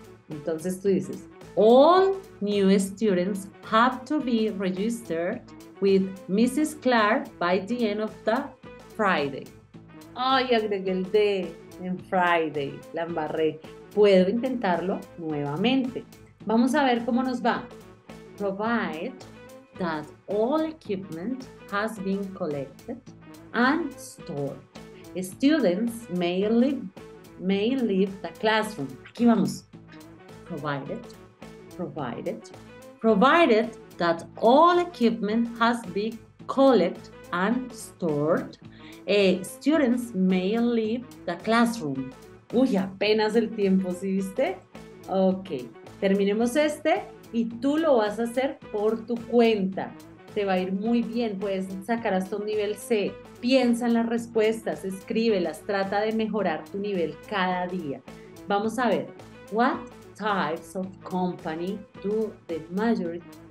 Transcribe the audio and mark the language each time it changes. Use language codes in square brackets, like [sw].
[es] Entonces tú dices, [en] all new students have to be registered with Mrs. Clark by the end of the Friday. [es] Ay, agregué el D en Friday, la embarré. Puedo intentarlo nuevamente. Vamos a ver cómo nos va. [en] Provide that all equipment has been collected and stored. Students may leave the classroom. [es] Aquí vamos. [en] Provided provided that all equipment has been collected and stored, students may leave the classroom. [es] Uy, apenas el tiempo, ¿sí viste? Ok, terminemos este y tú lo vas a hacer por tu cuenta. Te va a ir muy bien, puedes sacar hasta un nivel C. Piensa en las respuestas, escríbelas, trata de mejorar tu nivel cada día. Vamos a ver, [en] what types of company do the majority...